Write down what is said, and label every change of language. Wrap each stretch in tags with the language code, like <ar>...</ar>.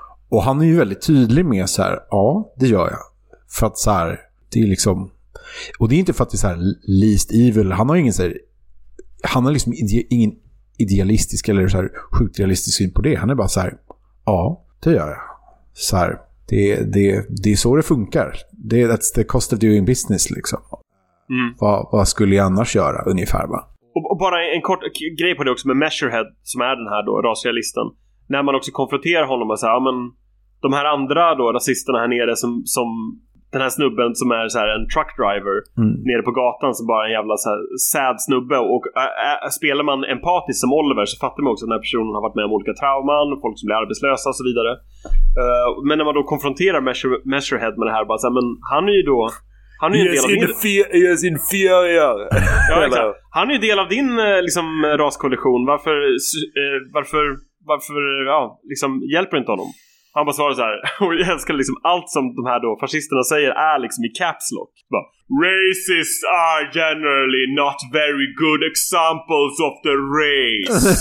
<sv>Och han är ju väldigt tydlig med så här, ja, det gör jag. För att så här, det är liksom, och det är inte för att det är så här</sv> <en>least evil.</en> <sv>Han har ingen så här, han har liksom ingen idealistisk eller så här sjukt realistisk syn på det. Han är bara så här, ja, det gör jag. Så här, det är så det funkar. Det,</sv> <en>that's the cost of doing business</en> <sv>liksom. Mm. Vad skulle jag annars göra ungefär, va? Och bara en kort grej på det också med Measurehead, som är den här då rasialisten. När man också konfronterar honom och säger, ja men de här andra då rasisterna här nere som den här snubben som är så här en truck driver nere på gatan, som bara är en jävla så här sad snubbe, och spelar man empatiskt som Oliver, så fattar man också att den här personen har varit med om olika trauman, folk som blir arbetslösa och så vidare. Men när man då konfronterar Measurehead med det här, bara så här, men han är ju då, han är ju</sv> <en>inferior.</en> <sv>Ja, han är ju del av din liksom raskollision. Varför liksom hjälper inte honom? Han bara svarar så här, och jag älskar liksom allt som de här då fascisterna säger är liksom i caps lock.</sv> <en>Bara, racists are generally not very good examples of the race.</en>